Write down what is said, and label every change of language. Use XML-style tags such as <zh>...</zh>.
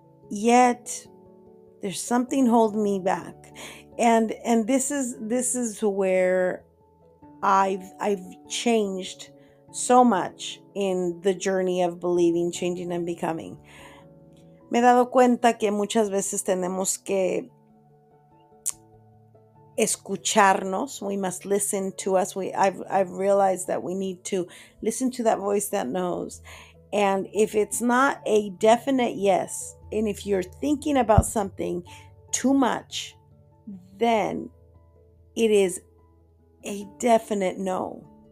<en>Yet there's something holding me back, and this is where I've changed so much in the journey of believing, changing, and becoming.</en> <es>Me he dado cuenta que muchas veces tenemos que escucharnos.</es> <en>We must listen to us. I've realized that we need to listen to that voice that knows. And if it's not a definite yes, and if you're thinking about something too much, then it is a definite no.</en>